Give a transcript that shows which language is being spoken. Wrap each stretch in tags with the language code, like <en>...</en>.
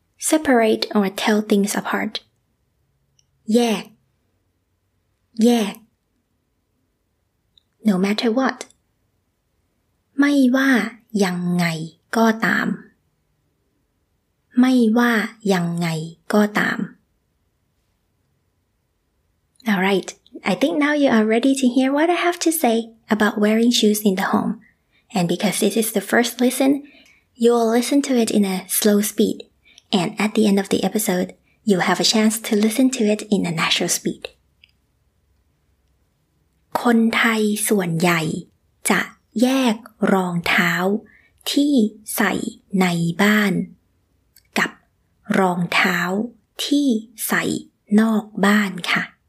<en>separate or tell things apart แยกแยก no matter what</en> <th>ไม่ว่ายังไงก็ตามไม่ว่ายังไงก็ตาม</th> <en>Alright, I think now you are ready to hear what I have to say about wearing shoes in the home. And because this is the first listen, you will listen to it in a slow speed. And at the end of the episode, you will have a chance to listen to it in a natural speed.</en> <th>คนไทยส่วนใหญ่จะแยกรองเท้าที่ใส่ในบ้านรองเท้าที่ใส่นอกบ้านค่ะ</th>